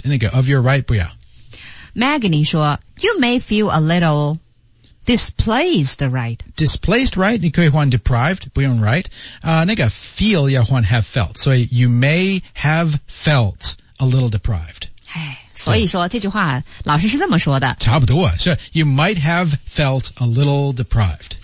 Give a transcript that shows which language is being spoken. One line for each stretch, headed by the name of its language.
Chinese: 那个
English: of your right,
Chinese: 不要。
English: Magni 说 ,you may feel a little displaced right. Displaced right,
Chinese: 你可以换 deprived, 不用 right. 那个 feel, 要换 have felt. 所以
English: you may have felt a little deprived. 嘿。
Chinese: 所以说这句话老师是这么说的差不多是
English: You might have felt a little deprived